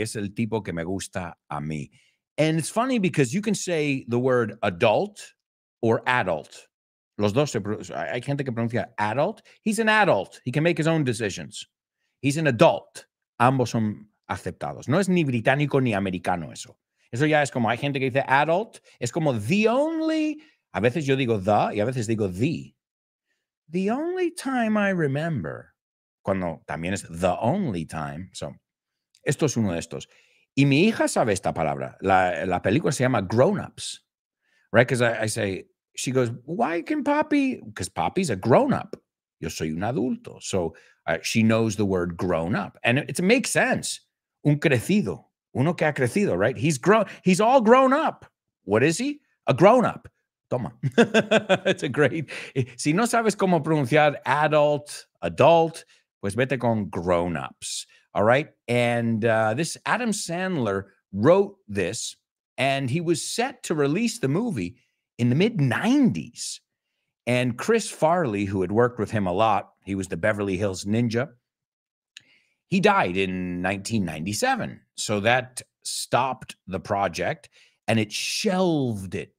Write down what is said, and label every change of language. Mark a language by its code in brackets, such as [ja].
[es] Es el tipo que me gusta a mí. [en] And it's funny because you can say the word adult or adult. [es] Los dos se pronuncia. [en] I can't think of pronunciar adult. He's an adult. He can make his own decisions. He's an adult. [es] Ambos son aceptados. No es ni británico ni americano eso. Eso ya es como hay gente que dice adult. Es como [en] the only. [es] A veces yo digo the y a veces digo the. [en] The only time I remember. [es] Cuando también es [en] the only time. [es] So, esto es uno de estos. Y mi hija sabe esta palabra. La película se llama Grown Ups. Right? [en] Because I say, she goes, why can Poppy? Because Poppy's a grown up. [es] Yo soy un adulto. [en] So she knows the word grown up. And it makes sense. [es] Un crecido. Uno que ha crecido, [en] right? He's grown. He's all grown up. What is he? A grown up. Toma. It's a great. [es] Si no sabes cómo pronunciar adult, adult, pues vete con grown ups. [en] All right. And this Adam Sandler wrote this and he was set to release the movie in the mid 90s. And Chris Farley, who had worked with him a lot, he was the Beverly Hills Ninja. He died in 1997. So that stopped the project and it shelved it.